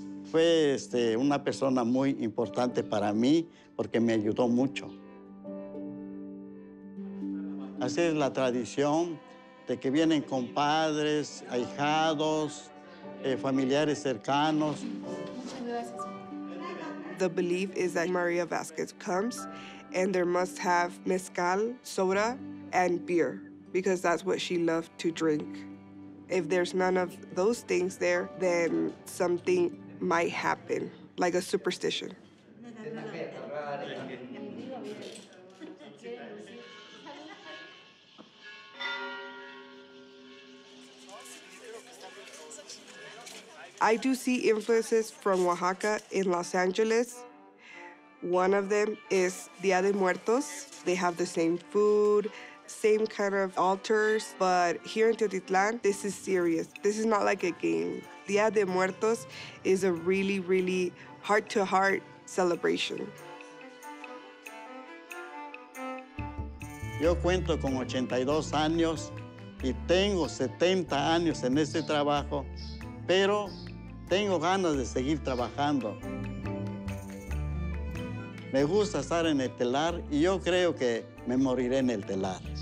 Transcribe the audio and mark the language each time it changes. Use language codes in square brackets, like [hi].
[es] Fue una persona muy importante para mí porque me ayudó mucho. Así es la tradición de que vienen compadres, ahijados, familiares cercanos. [en] The belief is that Maria Vasquez comes and there must have mezcal, soda, and beer, because that's what she loved to drink. If there's none of those things there, then something might happen, like a superstition. I do see influences from Oaxaca in Los Angeles. One of them is Dia de Muertos. They have the same food, same kind of altars, but here in Teotitlan, this is serious. This is not like a game. Dia de Muertos is a really, really heart-to-heart celebration. [es] Yo cuento con 82 años y tengo 70 años en este trabajo, pero tengo ganas de seguir trabajando. Me gusta estar en el telar y yo creo que me moriré en el telar.